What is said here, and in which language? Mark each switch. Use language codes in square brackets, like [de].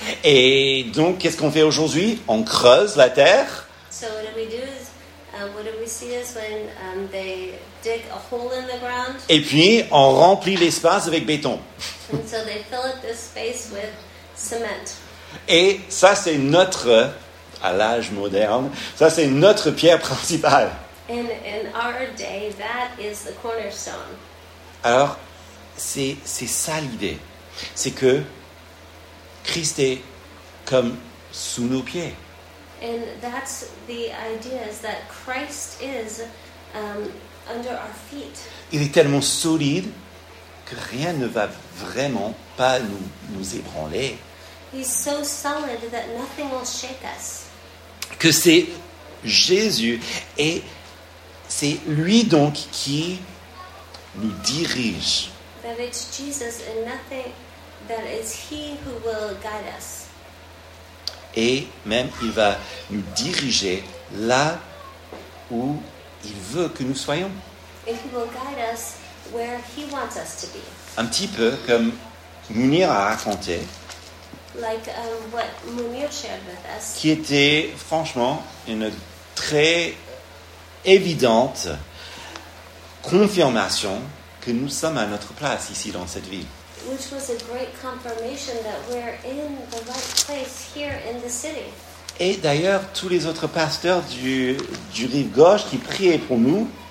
[fr] Et donc, qu'est-ce qu'on fait aujourd'hui? On creuse la terre. [en] So what do we do? What do we see is when they dig a hole in the ground. [fr] Et puis, on remplit l'espace avec béton. [en] And so they fill up this space with cement. [fr] Et ça, c'est notre, à l'âge moderne, ça, c'est notre pierre principale. [en] In our day, that is the cornerstone. [fr] Alors, c'est ça l'idée. C'est que Christ est comme sous nos pieds. [en] And that's the idea, is that Christ is under our feet. [fr] Il est tellement solide que rien ne va vraiment pas nous ébranler. [en] He's so solid that nothing will shake us. [fr] Que c'est Jésus et c'est lui donc qui nous dirige. [en] That it's Jesus and nothing, that it's he who will guide us. [fr] Et même il va nous diriger là où il veut que nous soyons. [en] And he will guide us where he wants us to be. [fr] Un petit peu comme Munir a raconté. [en] Like what Munir shared with us. [fr] Qui était franchement une très évidente confirmation que nous sommes à notre place ici dans cette ville. [en] Which was a great confirmation that we're in the right place here in the city. [fr] Et d'ailleurs, tous les autres pasteurs du rive gauche qui priaient pour nous.